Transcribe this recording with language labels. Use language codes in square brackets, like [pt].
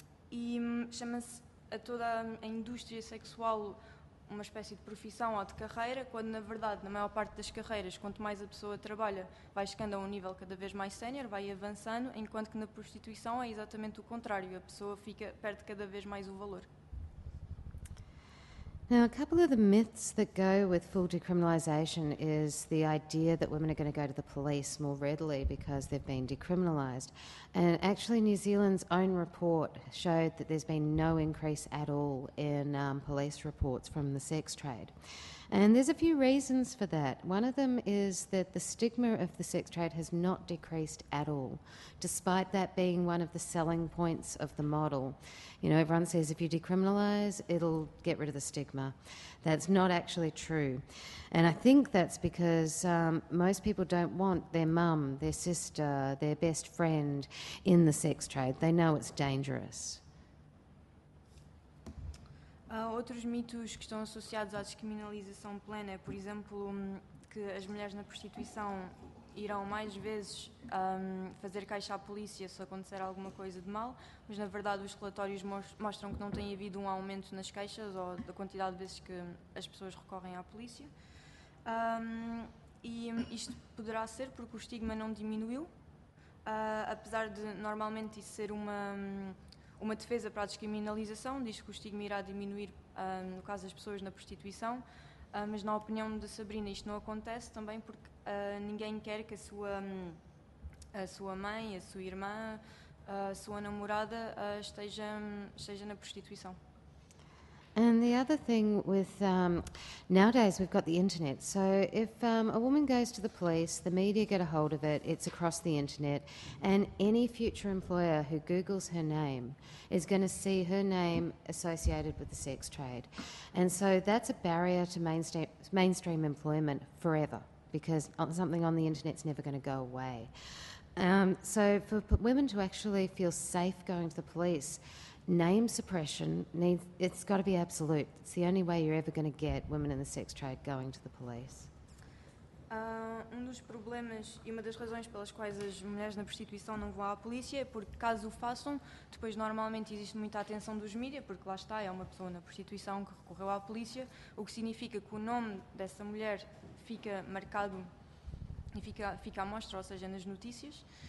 [pt] E chama-se a toda a indústria sexual uma espécie de profissão ou de carreira, quando na verdade, na maior parte das carreiras, quanto mais a pessoa trabalha, vai chegando a um nível cada vez mais sénior, vai avançando, enquanto que na prostituição é exatamente o contrário, a pessoa perde cada vez mais o valor. [en] Now, a couple of the myths that go with full decriminalisation is the idea that women are going to go to the police more readily because they've been decriminalised. And actually, New Zealand's own report showed that there's been no increase at all in police reports from the sex trade. And there's a few reasons for that. One of them is that the stigma of the sex trade has not decreased at all, despite that being one of the selling points of the model. You know, everyone says if you decriminalise, it'll get rid of the stigma. That's not actually true. And I think that's because most people don't want their mum, their sister, their best friend in the sex trade. They know it's dangerous. [pt] Outros mitos que estão associados à descriminalização plena é, por exemplo, que as mulheres na prostituição irão mais vezes fazer queixa à polícia se acontecer alguma coisa de mal, mas na verdade os relatórios mostram que não tem havido um aumento nas queixas ou da quantidade de vezes que as pessoas recorrem à polícia. E isto poderá ser porque o estigma não diminuiu, apesar de normalmente isso ser uma defesa para a descriminalização, diz que o estigma irá diminuir no caso das pessoas na prostituição, mas na opinião da Sabrina isto não acontece também porque ninguém quer que a sua mãe, a sua irmã, a sua namorada esteja na prostituição. [en] And the other thing with nowadays we've got the internet. So if a woman goes to the police, the media get a hold of it, it's across the internet, and any future employer who Googles her name is going to see her name associated with the sex trade. And so that's a barrier to mainstream employment forever, because something on the internet's never going to go away. So for women to actually feel safe going to the police, name suppression needs, it's got to be absolute. It's the only way you're ever going to get women in the sex trade going to the police. [pt] Um dos problemas e uma das razões pelas quais as mulheres na prostituição não vão à polícia é porque caso o façam, depois normalmente existe muita atenção dos mídias, porque lá está, é uma pessoa na prostituição que recorreu à polícia, o que significa que o nome dessa mulher fica marcado e fica à mostra, ou seja, nas notícias.